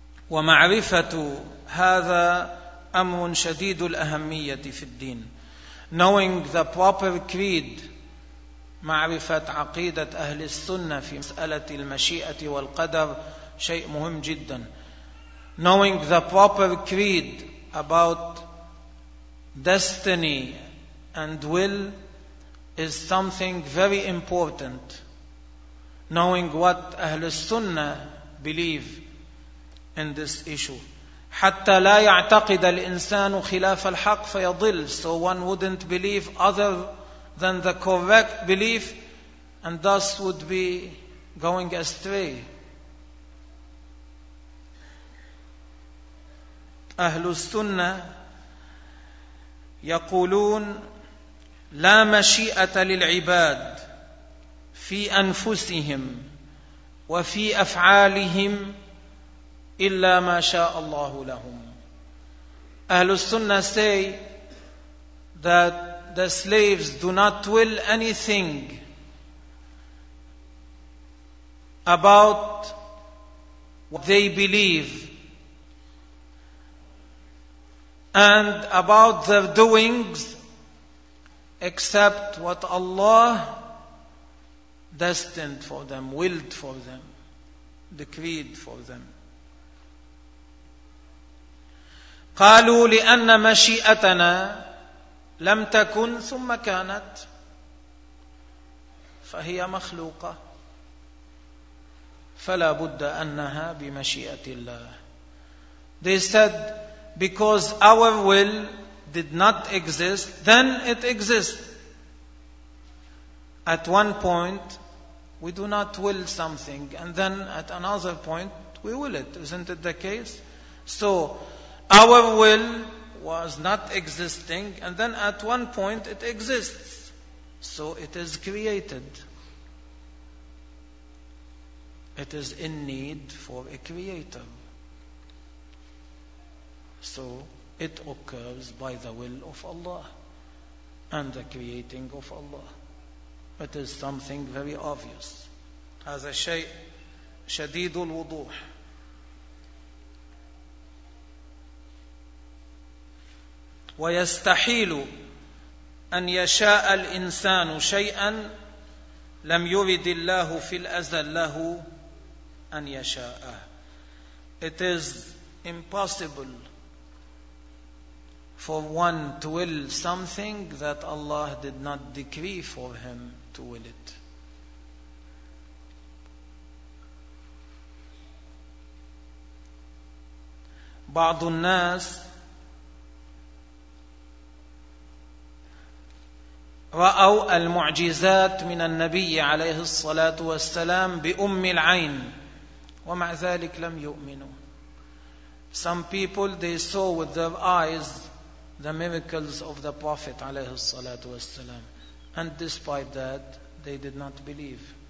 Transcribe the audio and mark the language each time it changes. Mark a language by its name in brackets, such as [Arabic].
[Arabic] ومعرفة هذا أمر شديد الأهمية في الدين. [English] Knowing the proper creed, [Arabic] معرفة عقيدة أهل السنة في مسألة المشيئة والقدر شيء مهم جدا. [English] Knowing the proper creed about destiny and will is something very important. Knowing what أهل السنة believe in this issue. [Arabic] حتى لا يعتقد الإنسان خلاف الحق فيضل. [English] So one wouldn't believe other than the correct belief and thus would be going astray. [Arabic] أهل السنة يقولون لا مشيئة للعباد في أنفسهم وفي أفعالهم إلا ما شاء الله لهم. [English] أهل السنة say that the slaves do not will anything about what they believe and about their doings except what Allah destined for them, willed for them, decreed for them. [Arabic] قالوا لأن مشيئتنا لم تكن ثم كانت فهي مخلوقة فلا بد أنها بمشيئة الله. [English] They said because our will did not exist, then it exists. At one point we do not will something and then at another point we will it. Isn't it the case? So our will was not existing and then at one point it exists. So it is created. It is in need for a creator. So it occurs by the will of Allah and the creating of Allah. It is something very obvious. [Arabic] هذا شيء شديد الوضوح. ويستحيل أن يشاء الإنسان شيئا لم يرد الله في الأزل له أن يشاءه. [English] It is impossible for one to will something that Allah did not decree for him to will it. [Arabic] بعض الناس رأوا المعجزات من النبي عليه الصلاة والسلام بأم العين ومع ذلك لم يؤمنوا. [English] Some people they saw with their eyes the miracles of the Prophet [Arabic] عليه الصلاة والسلام [English] and despite that they did not believe.